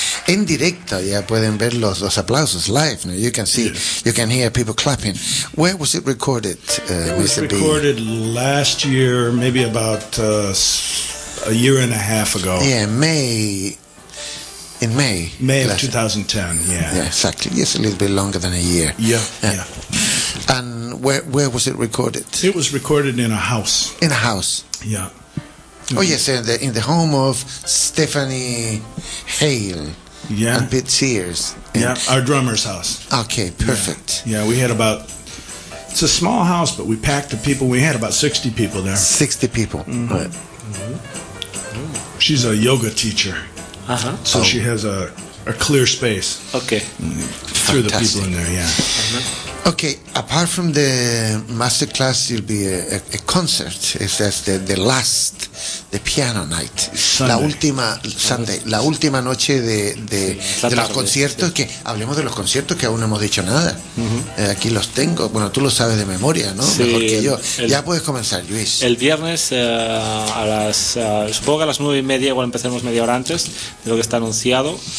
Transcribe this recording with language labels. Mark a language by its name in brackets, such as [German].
[Spanish] En directo, ya pueden ver los aplausos live. [English] Now you can see, you can hear people clapping. Where was it recorded, Mr. B? It was recorded last year, maybe about a year and a half ago. Yeah, May. In May. May of 2010, yeah. Yeah, exactly. Yes, a little bit longer than a year. Yeah. And where was it recorded? It was recorded in a house. In a house? Yeah. Mm-hmm. Oh, yes, in the home of Stephanie Hale. Yeah. And Pete Sears. Yeah, our drummer's house. Okay, perfect. Yeah, we had about, it's a small house, but we packed the people. We had about 60 people there. 60 people. Mm-hmm. Right. Mm-hmm. She's a yoga teacher. Uh-huh. So oh. She has a clear space. Okay. Through the people in there, yeah. Uh-huh. Okay, apart from the masterclass, it'll be a concert. It says the piano night. Sunday. [Spanish] La última, Sunday, la última noche de los conciertos. Que hablemos de los conciertos, que aún no hemos dicho nada. Uh-huh. Aquí los tengo. Bueno, tú lo sabes de memoria, ¿no? Sí, mejor que yo. Ya puedes comenzar, Luis. El viernes, supongo que a las 9:30, igual empezaremos media hora antes de lo que está anunciado.